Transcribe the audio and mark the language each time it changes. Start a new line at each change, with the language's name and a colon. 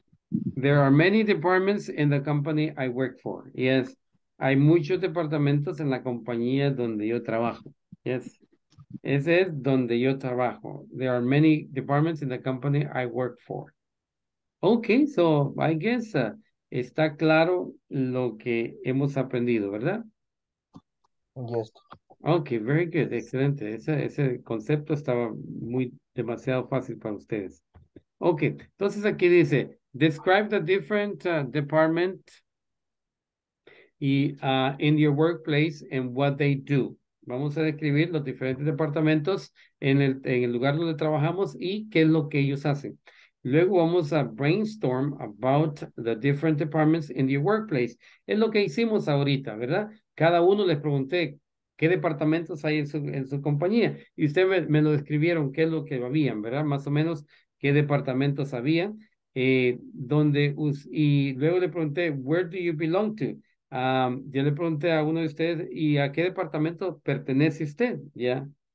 English: There are many departments in the company I work for. Yes.
Spanish: Hay muchos departamentos en la compañía donde yo trabajo. Yes. Ese es donde yo trabajo.
English: There are many departments in the company I work for. Okay, so I guess
Spanish: está claro lo que hemos aprendido, ¿verdad?
English: Yes. Okay, very good, excelente.
Spanish: Ese concepto estaba muy demasiado fácil para ustedes.
English: Okay,
Spanish: entonces aquí dice,
English: describe the different department y in your workplace and what they do.
Spanish: Vamos a describir los diferentes departamentos en el lugar donde trabajamos y qué es lo que ellos hacen. Luego vamos a
English: brainstorm about the different departments in your workplace.
Spanish: Es lo que hicimos ahorita, ¿verdad? Cada uno les pregunté qué departamentos hay en su compañía. Y ustedes me lo describieron, qué es lo que habían, ¿verdad? Más o menos qué departamentos había. Y luego le pregunté,
English: where do you belong to?
Spanish: Yo le pregunté a uno de ustedes, ¿y a qué departamento pertenece usted? ¿Ya?